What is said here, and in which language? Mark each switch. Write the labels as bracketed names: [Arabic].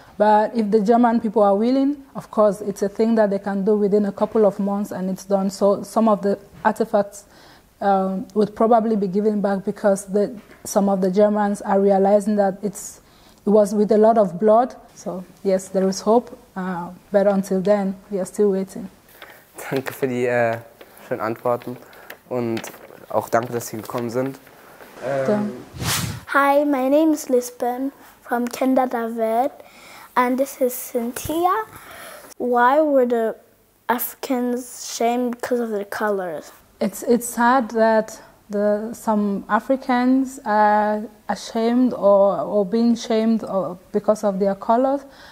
[English] But if the German people are willing, of course, it's a thing that they can do within a couple of months, and it's done. So some of the artifacts would probably be given back because some of the Germans are realizing that it was with a lot of blood. So yes, there is hope, but until then, we are still waiting. [German] Danke für die schönen Antworten und auch danke, dass Sie gekommen sind. [English] Hi, my name is Lisbon from Kinder der Welt, and this is Cynthia. Why were the Africans shamed because of their colors? It's sad that some Africans are ashamed or being shamed because of their colors.